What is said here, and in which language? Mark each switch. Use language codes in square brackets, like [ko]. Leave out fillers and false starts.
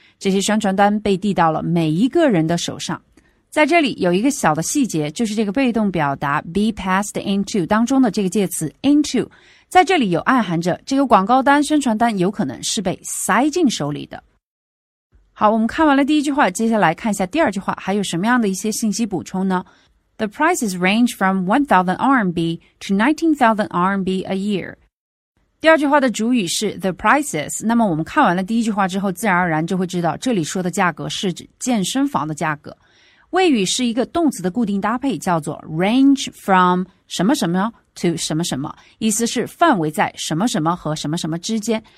[zh] 这些宣传单被递到了每一个人的手上。在这里有一个小的细节，就是这个被动表达 [en] be passed into [zh] 当中的这个介词 into。在这里有暗含着这个广告单宣传单有可能是被塞进手里的。好，我们看完了第一句话，接下来看一下第二句话，还有什么样的一些信息补充呢？ [en] The prices range from 1,000 RMB to 19,000 RMB a year. [zh] 第二句话的主语是 [en] the prices, [zh] 那么我们看完了第一句话之后自然而然就会知道这里说的价格是指健身房的价格。谓语是一个动词的固定搭配，叫做 [en] range from [zh] 什么什么 to 什么什么，意思是范围在什么什么和什么什么之间。